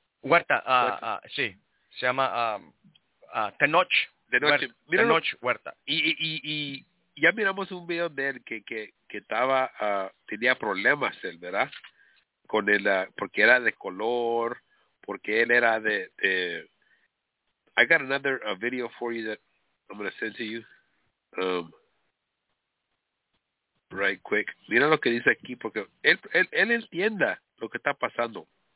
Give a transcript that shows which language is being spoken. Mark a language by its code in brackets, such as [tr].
[es] Huerta, sí, se llama Tenoch Huerta. Y ya miramos un video de él que estaba, tenía problemas él, ¿verdad? Con él, porque era de color, porque él era de... [en] I got another video for you that I'm going to send to you. Right quick. [es] Mira lo que dice aquí, porque él entienda lo que está pasando.